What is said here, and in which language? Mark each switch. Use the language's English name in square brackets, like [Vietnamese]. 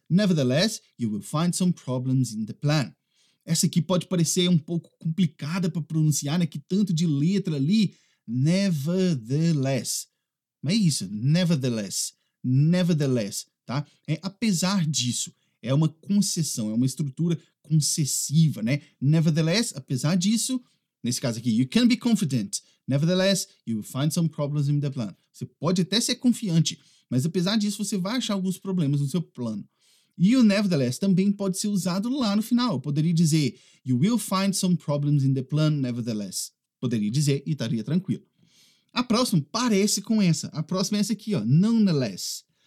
[English] Nevertheless, you will find some problems in the plan. [Portuguese] Essa aqui pode parecer um pouco complicada para pronunciar, né? Que tanto de letra ali. Nevertheless. Mas é isso. Nevertheless. Nevertheless. Tá? É apesar disso. É uma concessão. É uma estrutura concessiva, né? Nevertheless, apesar disso, Nesse caso aqui, [English] you can be confident. Nevertheless, you will find some problems in the plan. [Portuguese] Você pode até ser confiante, mas apesar disso, você vai achar alguns problemas no seu plano. E o nevertheless também pode ser usado lá no final. Eu poderia dizer, [English] you will find some problems in the plan, nevertheless. [Portuguese] Poderia dizer e estaria tranquilo. A próxima parece com essa. A próxima é essa aqui, ó. Nonetheless.